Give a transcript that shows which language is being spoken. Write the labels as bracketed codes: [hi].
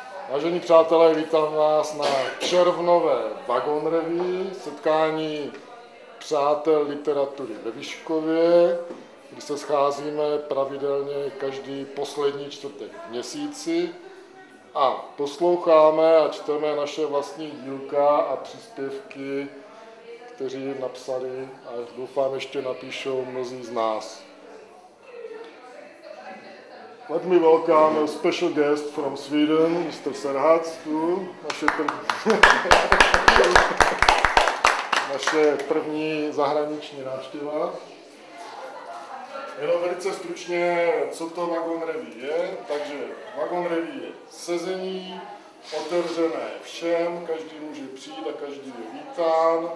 [cs] Vážení přátelé, vítám vás na červnové Wagon Revy, setkání přátel literatury ve Vyškově, kdy se scházíme pravidelně každý poslední čtvrtek v měsíci. A posloucháme a čteme naše vlastní dílka a příspěvky, kteří napsali a doufám ještě napíšou mnozí z nás. [en] Let me welcome a special guest from Sweden, Mr. [cs] Serhats, tu naše první zahraniční návštěva. Jenom velice stručně, co to Wagon Revy je. Takže Wagon Revy je sezení, otevřené všem, každý může přijít a každý je vítán.